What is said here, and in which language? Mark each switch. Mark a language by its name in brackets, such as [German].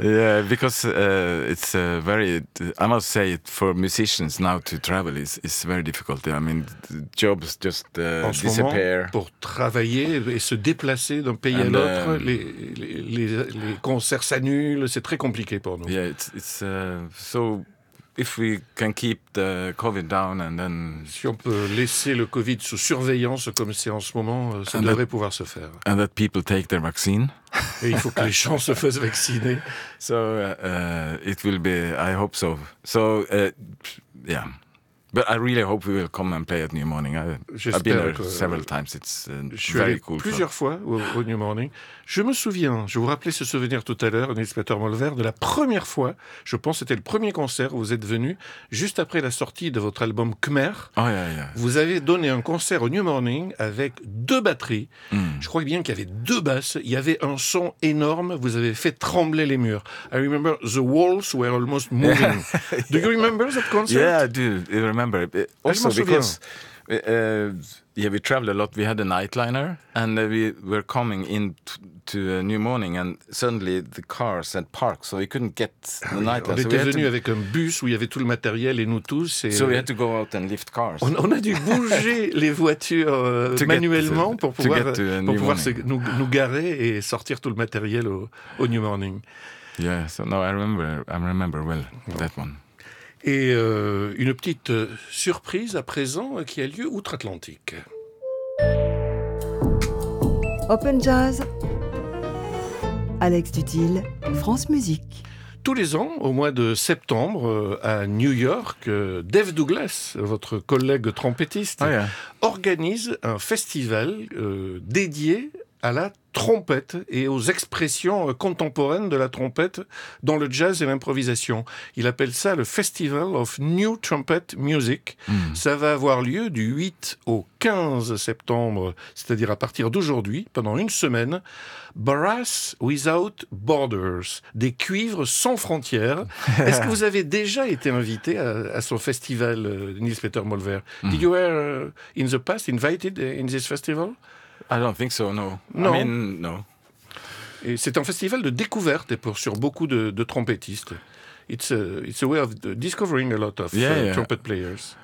[English] Yeah, because it's very. I must say, it for musicians now to travel is very difficult. I mean, jobs just disappear. [French] En ce moment, pour travailler et se déplacer d'un pays à l'autre, les concerts s'annulent. C'est très compliqué pour nous. [English] Yeah, it's so. If we can keep the COVID down and then [French] si on peut laisser le COVID sous surveillance comme c'est en ce moment, ça devrait pouvoir se faire. [English] And that people take their vaccine. [French] Et il faut que les gens se fassent vacciner. [English] So it will be. I hope so. So yeah. But I really hope we will come and play at New Morning. I've been there several times. It's very cool. [French] Plusieurs fois au New Morning. Je me souviens, je vous rappelais ce souvenir tout à l'heure, Nils Petter Møller, de la première fois, je pense que c'était le premier concert où vous êtes venu, juste après la sortie de votre album Khmer. [English] Oh, yeah, yeah. [French] Vous avez donné un concert au New Morning avec deux batteries. Mm. Je crois bien qu'il y avait deux basses. Il y avait un son énorme. Vous avez fait trembler les murs. [English] I remember the walls were almost moving. Yeah. Do you remember that concert? Yeah, I do. I remember. Also, because... Yeah, we traveled a lot. We had a nightliner, and we were coming in to a New Morning, and suddenly the cars had parked, so we couldn't get the nightliner. [French] On était venu avec un bus où il y avait tout le matériel et nous tous. Et [English] so we had to go out and lift cars. [French] On a dû bouger les voitures manuellement pour pouvoir nous garer et sortir tout le matériel au New Morning. [English] Yeah, so no, I remember well that one. [French] Et une petite surprise à présent qui a lieu outre-Atlantique. Open Jazz, Alex Dutille, France Musique. Tous les ans, au mois de septembre, à New York, Dave Douglas, votre collègue trompettiste, organise un festival dédié à la trompette et aux expressions contemporaines de la trompette dans le jazz et l'improvisation. Il appelle ça le Festival of New Trumpet Music. Mm. Ça va avoir lieu du 8 au 15 septembre, c'est-à-dire à partir d'aujourd'hui, pendant une semaine. Brass Without Borders, des cuivres sans frontières. Est-ce que vous avez déjà été invité à ce festival, Nils Petter Møller? Mm. [English] Did you were in the past invited in this festival? I don't think so, no. No. I mean, no. [French] Et c'est un festival de découverte sur beaucoup de trompettistes. [English] It's a way of discovering a lot of trumpet players.